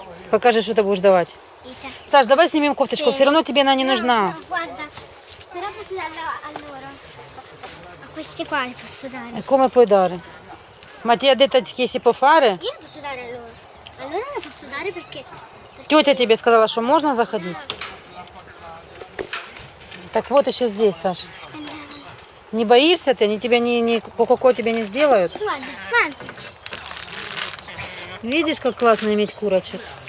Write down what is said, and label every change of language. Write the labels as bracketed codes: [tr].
[ru] Покажи, что ты будешь давать. Саш, давай снимем кофточку, все равно тебе она не нужна. [it] Però posso darlo a loro. A questi qua li posso dare. E come puoi dare? Ma ti ha detto che si può fare? Io li posso dare a loro. A loro li posso dare perché. [ru] Тетя тебе сказала, что можно заходить? Так вот еще здесь, Саша. Не боишься ты? Они тебя не ко-ко-ко тебе не сделают? Ладно. Видишь, как классно иметь курочек?